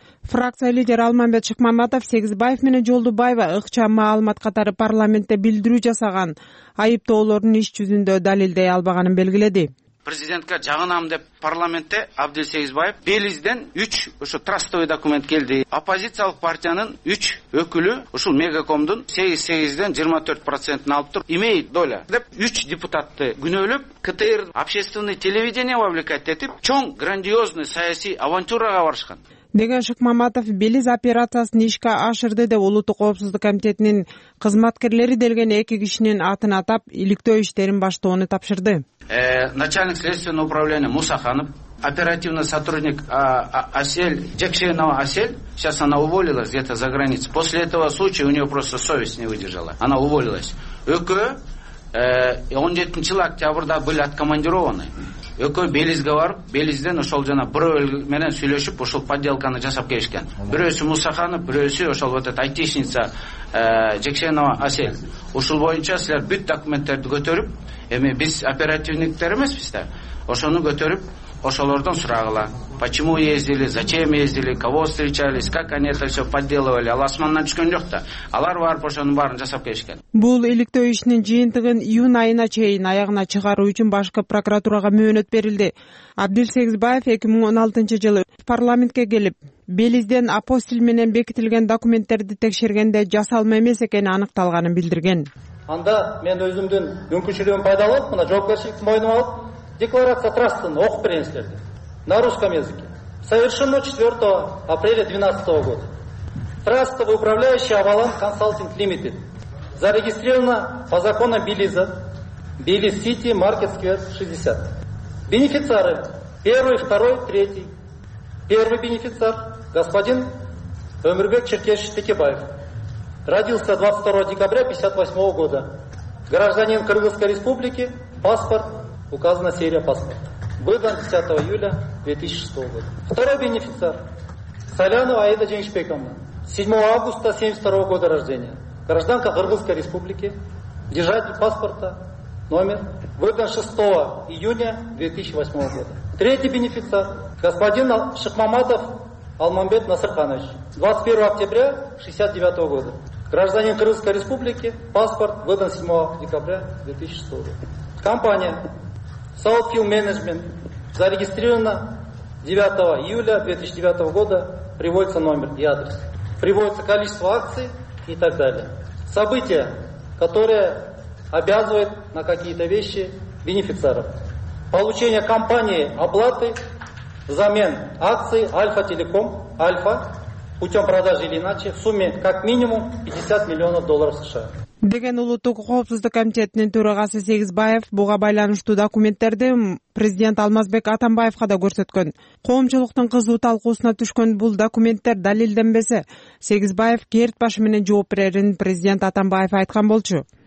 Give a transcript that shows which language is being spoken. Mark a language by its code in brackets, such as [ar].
[ky] Фракция лидери Алмамбет Шыкмаматов Сегизбаев менен Жолдубаева ыкчам маалымат катары парламентте билдирүү жасаган айыптоолорун иш жүзүндө далилдей албаганын белгиледи. Президентке жагынам деп парламентте Абдил Сегизбаев Белизден 3 ошо трастовый документ келди. Оппозициялык партиянын 3 өкүлү ушул Мегакомдун 8-8ден 24% алыптыр. [ru] Имеет доля [ky] деп 3 депутатты күнөөлөп, КТР [ru] общественный телевидение вовлекать [ky] этип чоң грандиозный саясий авантюрага барышкан. Деген Шыкмаматов Белиз операциясын ишке ашырды деп улуттук коопсуздук комитетинин кызматкерлери делген 2 кишинин атын атап, иликтөө иштерин баштоону тапшырды. [ru] Начальник следственного управления Мусаханов, оперативный сотрудник Асель, Джекшенова Асель, сейчас она уволилась где-то за границей. После этого случая у нее просто совесть не выдержала. Она уволилась. ÖKÖ, 17 октябрьда были откомандированы. [ky] ÖKÖ Белизге барып, Белизден ошол жана бирөө менен сүйлөшүп, ушул подделканы жасап келишкен. Бирөөсү Мусаханов, бирөөсү ошол [ru] вот эта [ky] айтишница Джекшенова Асель. Ушул боюнча силер бүт документтерди көтөрүп, эми биз оперативниктер эмеспиз да, ошону көтөрүп, ошолордон сурагыла. [ru] Почему ездили, зачем ездили, кого встречались, как они это все подделывали. [ky] Ал асмандан түшкөн жок да, алар барып ошонун баарын жасап келишкен. Бул иликтөө ишинин жыйынтыгын июнь айына чейин аягына чыгаруу үчүн башкы прокуратурага мөөнөт берилди. Абдил Сегизбаев 2016 жылы парламентке келип, Белизден апостил менен бекитилген документтерди текшергенде жасалма эмес экени аныкталганын билдирген. Анда мен өзүмдүн мүмкүнчүлүгүн пайдаланып, мына жоопкерчиликти мойнума алып, декларация трастын окуп берейин силерге. [ru] На русском языке. Совершено 4 апреля 2012 года. Трастовый управляющий Авалан Консалтинг Лимитед. Зарегистрировано по закону Белиза, Белиз Сити, Маркет Сквер 60. Бенефициары 1, 2, 3. Первый бенефициар господин Өмүрбек Черкеш Текебаев. Родился 22 декабря 1958 года. Гражданин Кыргызской Республики. Паспорт. Указана серия паспорта. Выдан 10 июля 2006 года. Второй бенефициар. Солянова Аида Женишбековна. 7 августа 1972 года рождения. Гражданка Кыргызской Республики. Держатель паспорта. Номер. Выдан 6 июня 2008 года. Третий бенефициар. Господин Шыкмаматов Алмамбет Насырханович. 21 октября 1969 года. Гражданин Кыргызской Республики, паспорт выдан 7 декабря 2006 года. Компания Southfield Management зарегистрирована 9 июля 2009 года, приводится номер и адрес. Приводится количество акций и так далее. События, которые обязывают на какие-то вещи бенефициаров. Получение компанией оплаты взамен акций Альфа-Телеком, Альфа, путем продажи или иначе, в сумме как минимум 50 миллионов долларов США. [ky] Деген улуттук коопсуздук комитетинин төрагасы Сегизбаев буга байланыштуу документтерди президент Алмазбек Атамбаевка да көрсөткөн. Коомчулуктун кызуу талкуусуна түшкөн бул документтер далилденбесе, Сегизбаев керт башы менен жооп берерин президент Атамбаев айткан болчу.